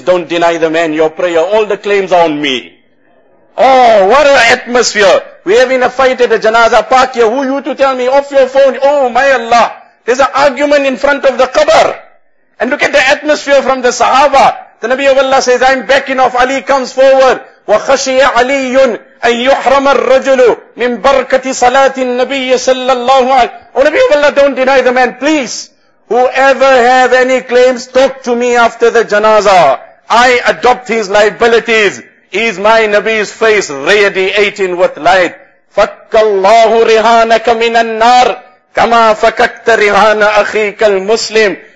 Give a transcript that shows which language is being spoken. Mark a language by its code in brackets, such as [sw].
[en] Don't deny the man your prayer. All the claims are on me. Oh, what an atmosphere. We're having a fight at a janazah. Park here. Who are you to tell me? Off your phone. Oh, my Allah. There's an argument in front of the qabr. And look at the atmosphere from the sahaba. The Nabi of Allah says, I'm backing off. Ali comes forward. [ar] وَخَشِيَ عَلِيٌّ أَن يُحْرَمَ الرَّجُلُ مِن بَرْكَةِ صَلَاةِ النَّبِيِّ صَلَّى اللَّهُ عَلَيْهِ. [en] Oh, Nabi of Allah, don't deny the man. Please, whoever have any claims, talk to me after the janazah. I adopt his liabilities. Is my Nabi's face radiating with light? [ar] فَكَّ اللَّهُ رِهَانَكَ مِنَ النَّارِ كَمَا فَكَكْتَ رِهَانَ أَخِيكَ الْمُسْلِمِ.